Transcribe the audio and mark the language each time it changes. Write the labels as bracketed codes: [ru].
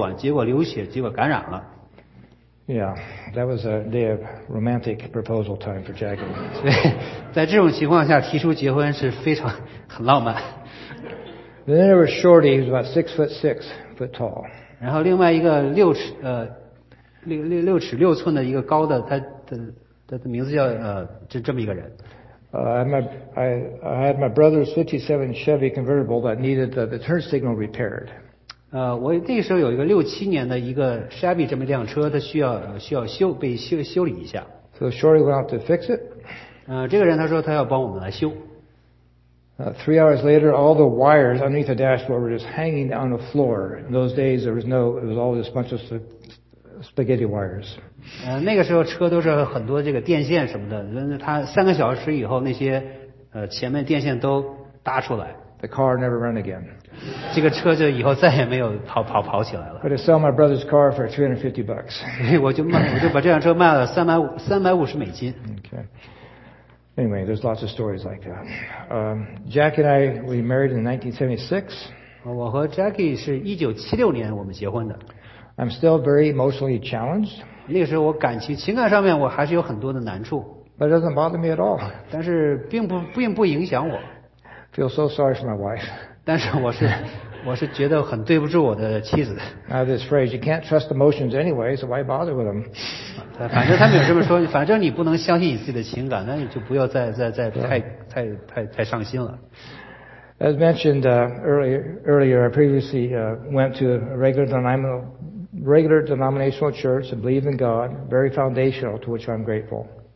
[zh] 他这个人，他叫Eddie，他自己的这个剪脚指甲，他剪得太短，结果流血，结果感染了。 [en] Yeah, that was a day of romantic proposal time for Jackie. [zh] 所以在这种情况下提出结婚是非常很浪漫。 [en] Then there was Shorty, who's about 6'6" tall. [zh] 然后另外一个六尺六寸的一个高的，他的名字叫这么一个人。 [en] I had my brother's 57 Chevy convertible that needed the turn signal repaired. [zh] 我那时候有一个67年的一个Chevy这么辆车，它需要修理一下。 [en] So Shorty went out to fix it. [zh] 这个人他说他要帮我们来修。 [en] 3 hours later, all the wires underneath the dashboard were just hanging on the floor. In those days, there was no, it was all just a bunch of spaghetti wires. [zh] 那个时候车都是很多这个电线什么的，他3个小时以后那些前面电线都搭出来。 [en] The car never ran again. [zh] 这个车就以后再也没有跑起来了。 [en] But I sold my brother's car for $350. [zh] 我就把这辆车卖了350美金。 [en] Okay. Anyway, there's lots of stories like that. Jack and I, we married in 1976. [zh] 我和Jackie是1976年我们结婚的。 [en] I'm still very emotionally challenged. [zh] 那个时候我感情情感上面我还是有很多的难处。 [en] But it doesn't bother me at all. [zh] 但是并不影响我。 [en] Feel so sorry for my wife. [zh] 但是我是觉得很对不住我的妻子。 [en] I have this phrase, you can't trust emotions anyway, so why bother with them? [zh] 反正他们有这么说，反正你不能相信你自己的情感，那你就不要再太伤心了。 [en] As mentioned earlier, I previously went to a regular denominational church and believed in God, very foundational, to which I'm grateful.